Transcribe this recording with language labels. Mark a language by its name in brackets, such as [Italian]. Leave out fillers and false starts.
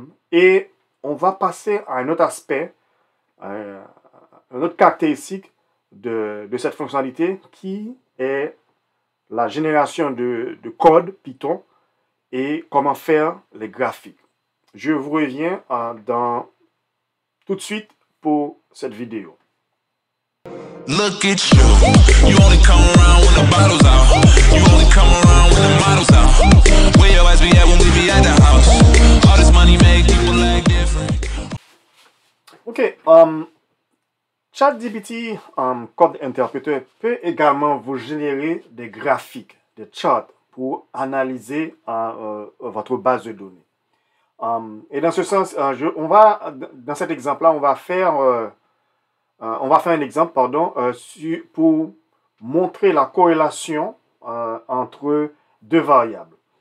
[French] Et on va passer à un autre aspect, une autre caractéristique de cette fonctionnalité qui est la génération de code Python et comment faire les graphiques. Je vous reviens tout de suite pour cette vidéo. [English] Look at you. You only come around when the bottle's out. You only come around when the model's out. Where your eyes be at when we be at the house? All this money make people like different. [French] Ok, ChatGPT, code interpréteur, peut également vous générer des graphiques, des charts pour analyser votre base de données. Et dans ce sens, dans cet exemple-là, on va faire un exemple pour montrer la corrélation entre deux variables.